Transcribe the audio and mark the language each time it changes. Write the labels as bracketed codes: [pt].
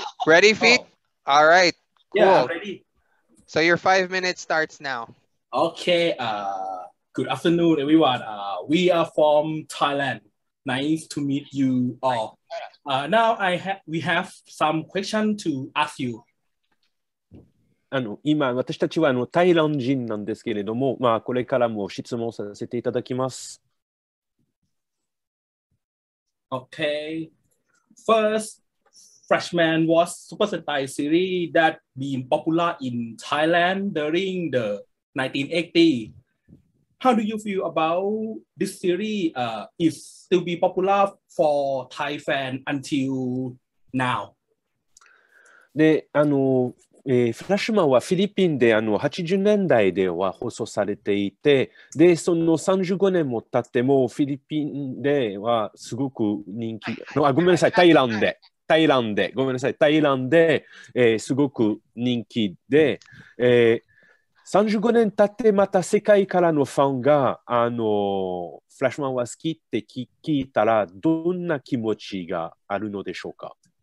[en] Ready, feet? Oh. All right. Cool. Yeah, ready. So your 5 minutes starts now. Okay. Good afternoon, everyone. We are from Thailand. Nice to meet you all. Now we have some question to ask you. [ja] あの今私たちはあのタイランド人なんですけれども、まあこれからも質問させていただきます。 [en] Okay. First. Flashman was Super Sentai series that been popular in Thailand during the 1980s. How do you feel about this series is still be popular for Thai fan until now? [ja] で、あの、Flashman はフィリピンであの80年代では放送されていて、で、その35年も経ってもフィリピンではすごく人気、あ、ごめんなさい、タイランドで。タイランで、ごめんなさい、タイランで、すごく人気で、35年経ってまた世界からのファンが、フラッシュマンは好きって聞いたら、どんな気持ちがあるのでしょうか？